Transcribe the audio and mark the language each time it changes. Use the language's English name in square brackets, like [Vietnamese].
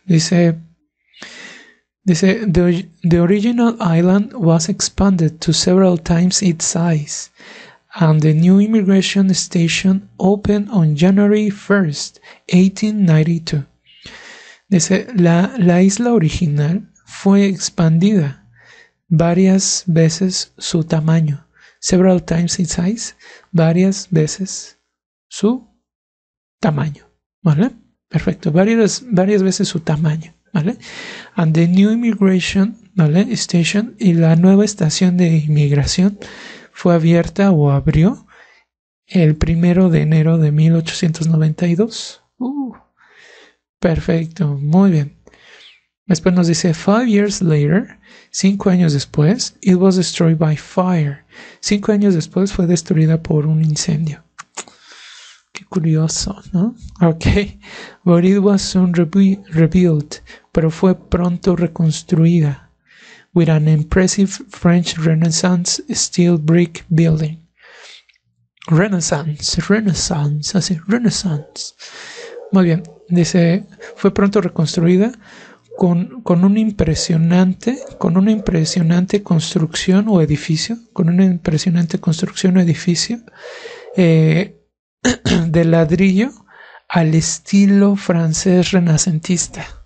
[Spanish] Dice, [English] the original island was expanded to several times its size, and the new immigration station opened on January 1st, 1892. [Spanish] Dice, la isla original fue expandida varias veces su tamaño. [English] Several times its size, [Spanish] varias veces su tamaño. ¿Vale? Perfecto, varias veces su tamaño. ¿Vale? [English] And the new immigration, [Spanish] ¿vale? Station, y la nueva estación de inmigración fue abierta o abrió el 1 de enero de 1892. Perfecto, muy bien. Después nos dice [English] 5 years later, [Spanish] 5 años después, [English] it was destroyed by fire. [Spanish] 5 años después fue destruida por un incendio. Qué curioso, ¿no? [English] Ok, but it was soon rebuilt. [Spanish] Pero fue pronto reconstruida. [English] With an impressive French Renaissance steel brick building. Renaissance, así, Renaissance. [Spanish] Muy bien, dice, fue pronto reconstruida con una impresionante construcción o edificio, con una impresionante construcción o edificio de ladrillo al estilo francés renacentista.